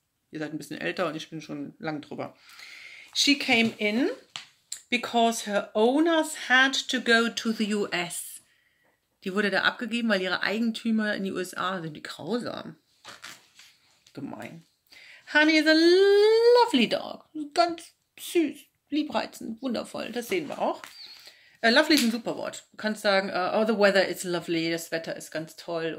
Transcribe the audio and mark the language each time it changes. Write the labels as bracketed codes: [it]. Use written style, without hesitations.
[de] Ihr seid ein bisschen älter und ich bin schon lang drüber. [en] She came in because her owners had to go to the US. [de] Die wurde da abgegeben, weil ihre Eigentümer in die USA sind. Die grausam. Gemein. [en] Honey is a lovely dog. [de] Ganz süß, liebreizend, wundervoll. Das sehen wir auch. Lovely ist ein super Wort. Du kannst sagen, [en] oh, the weather is lovely, [de] das Wetter ist ganz toll.